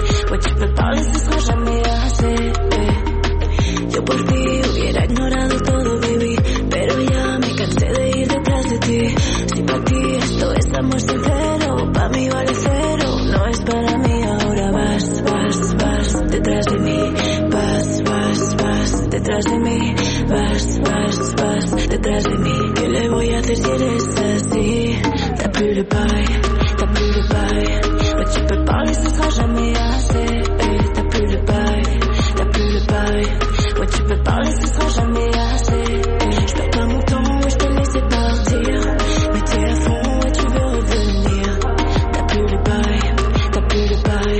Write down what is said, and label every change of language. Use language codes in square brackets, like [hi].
[fr] Ouais, tu peux parler, ce sera jamais assez. [es] Yo por ti hubiera ignorado todo, baby. Pero ya me cansé de ir detrás de ti. Si pa' ti esto es amor sincero, pa' mí vale cero. No es para mí, ahora vas, vas, vas detrás de mí. Vas, vas, vas detrás de mí. Vas, vas, vas detrás de mí. ¿Qué le voy a hacer si eres así? [fr] Da plus le pay, da plus le pay. Tu peux parler, ce sera jamais assez. T'as plus le bail, t'as plus le bail. Ouais, tu peux parler, ce sera jamais assez. Je perds pas mon temps, ouais, je te laissais partir. Mais t'es à fond, ouais, tu veux revenir. T'as plus le bail, t'as plus le bail.